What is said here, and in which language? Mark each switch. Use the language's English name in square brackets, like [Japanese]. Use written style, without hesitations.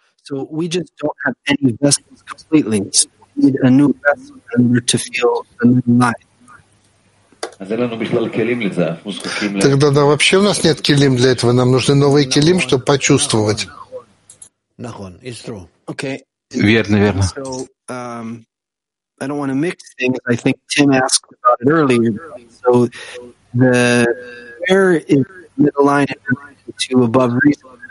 [English] So we just don't have any vessels completely. So we need a new vessel in order to feel a new life. [Russian] Тогда да, вообще у нас нет килим для этого. Нам нужны новые килим, чтобы почувствовать. [English] It's true. [Russian] Okay. Верно, верно. [English] So I don't want to mix things. I think Tim asked about it earlier. So the where is middle line to above reason?